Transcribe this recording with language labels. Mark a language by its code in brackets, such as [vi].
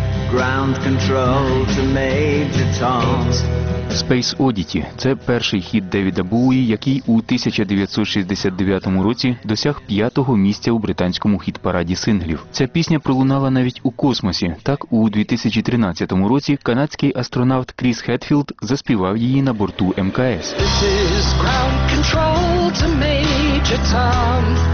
[en] Ground control to Major Tom. [uk] Space Oddity – це перший хіт Девіда Боуї, який у 1969 році досяг п'ятого місця у британському хіт-параді синглів. Ця пісня пролунала навіть у космосі. Так, у 2013 році канадський астронавт Кріс Хетфілд заспівав її на борту МКС. [en] This is ground control to Major Tom.